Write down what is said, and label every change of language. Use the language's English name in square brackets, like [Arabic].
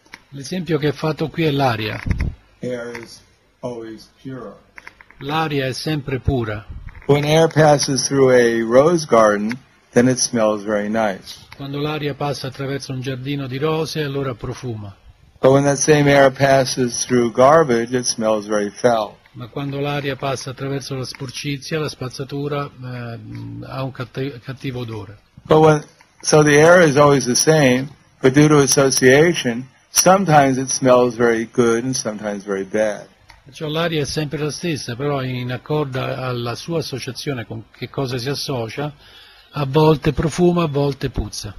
[Italian] L'esempio che è fatto qui è l'aria. [English] Air is always pure. [Italian] L'aria è sempre pura. [English] When air passes through a rose garden, then it smells very nice. [Italian] Quando l'aria passa attraverso un giardino di rose, allora profuma. [English] But when that same air passes through garbage, it smells very foul. [Italian] Ma quando l'aria passa attraverso la sporcizia, la spazzatura, ha un cattivo odore. [English] But when, so the air is always the same, but due to association, sometimes it smells very good and sometimes very bad. [Italian] Perciò l'aria è sempre la stessa, però in accordo alla sua associazione con che cosa si associa, a volte profuma, a volte puzza.